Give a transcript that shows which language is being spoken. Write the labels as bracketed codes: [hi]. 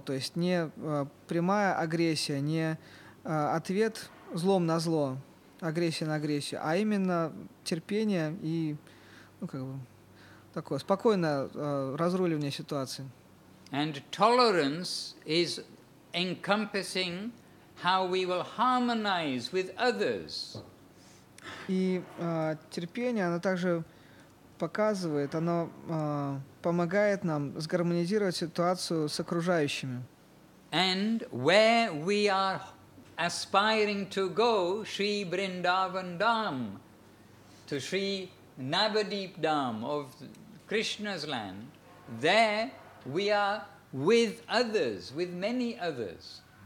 [ru] То есть не прямая агрессия, не ответ злом на зло, агрессия на агрессию, а именно терпение и, ну, как бы, такое спокойное разруливание ситуации. [en] And tolerance is encompassing how we will harmonize with others. [ru] И терпение, оно также показывает, оно помогает нам сгармонизировать ситуацию с окружающими. [en] And where we are aspiring to go, Sri Vrindavan Dham, to Sri Navadeep Dham of Krishna's land, there we are with others, with many others.